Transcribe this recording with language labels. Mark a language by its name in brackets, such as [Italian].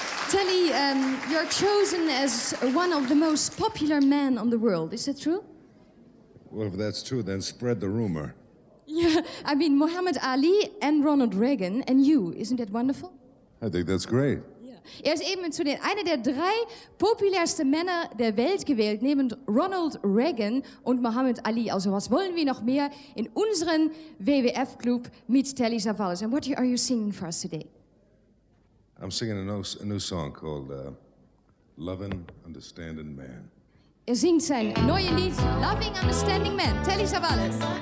[English] Telly, you're chosen as one of the most popular men on the world. Is that true? Well, if that's true, then spread the rumor. Yeah, I mean, Muhammad Ali and Ronald Reagan and you. Isn't that wonderful? I think that's great. Yeah. [German] Er ist eben zu den einer der drei populärsten Männer der Welt gewählt, neben Ronald Reagan und Muhammad Ali. Also was wollen wir noch mehr in unserem WWF-Club mit Telly Savalas? [English] And what are you singing for us today? I'm singing a new song called Lovin', Understandin' Man. [German] Er singt sein neues Lied, Loving, Understanding Man, Telly Savalas.